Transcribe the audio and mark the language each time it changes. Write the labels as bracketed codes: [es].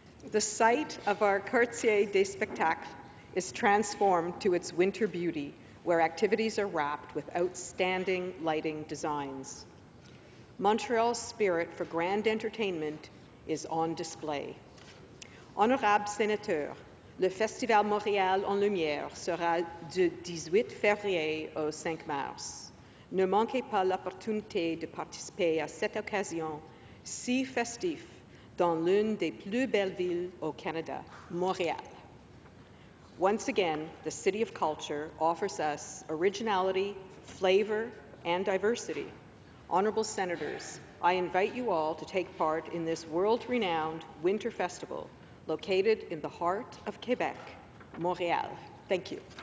[en] The site of our Quartier des Spectacles is transformed to its winter beauty, where activities are wrapped with outstanding lighting designs. Montreal's spirit for grand entertainment is on display. [fr] Honorable Sénateur, le Festival Montréal en Lumière sera du 18 février au 5 mars. Ne manquez pas l'opportunité de participer à cette occasion si festif dans l'une des plus belles villes au Canada, Montréal. [en] Once again, the City of Culture offers us originality, flavor, and diversity. Honorable Senators, I invite you all to take part in this world-renowned winter festival located in the heart of Quebec, Montréal. Thank you.